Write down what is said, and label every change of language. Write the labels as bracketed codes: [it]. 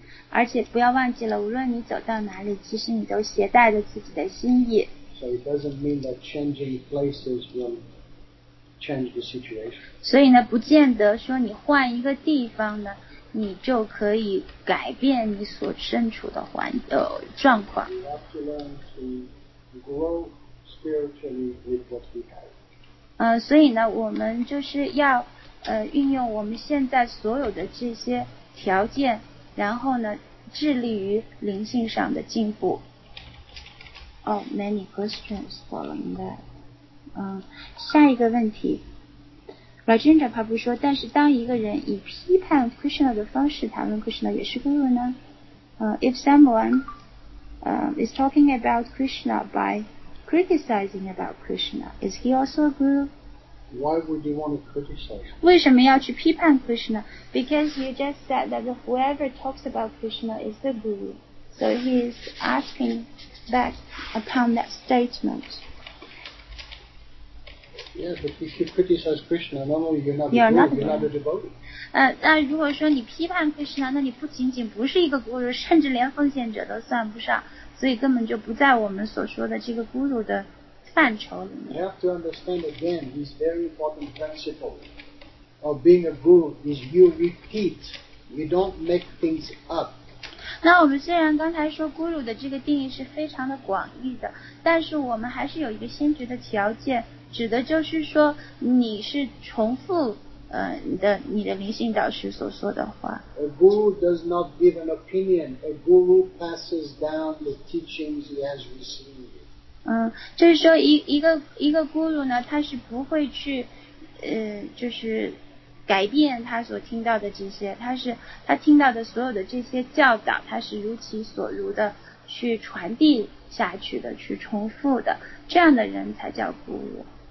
[zh] 而且不要忘记了，无论你走到哪里，其实你都携带着自己的心意。 [en] So it doesn't mean that changing places will change the situation. [zh] 所以呢，不见得说你换一个地方呢，你就可以改变你所身处的状况。 [en] We have to learn to grow spiritually with what we have. [zh] 所以呢我们就是要运用我们现在所有的这些条件，然后呢致力于灵性上的进步。 [en] Oh, many questions following that. [zh] 下一个问题。 Rajendra Prabhu 说，但是当一个人以批判 Krishna 的方式谈论 Krishna 也是 Guru 呢？ [en] If someone, is talking about Krishna by criticizing about Krishna, is he also a guru? Why would you want to criticize? [zh] 为什么要去批判 Krishna? [en] Because you just said that whoever talks about Krishna is the guru. So he is asking back upon that statement. Yes, but if you criticize Krishna, normally you're not a guru. [zh] 但如果说你批判 Krishna, 那你不仅仅不是一个 guru, 甚至连奉献者都算不上。所以根本就不在我们所说的这个 guru 的范畴里面。 [en] You have to understand again this very important principle of being a guru is you repeat, you don't make things up. [zh] 那我们虽然刚才说 guru 的这个定义是非常的广义的，但是我们还是有一个先决的条件，指的就是说你是重复你的灵性导师所说的话。 [en] A guru does not give an opinion. A guru passes down the teachings he has received. [zh] 就是说一个 guru 呢，他是不会去，就是改变他所听到的这些，他听到的所有的这些教导，他是如其所如的去传递下去的，去重复的，这样的人才叫 guru。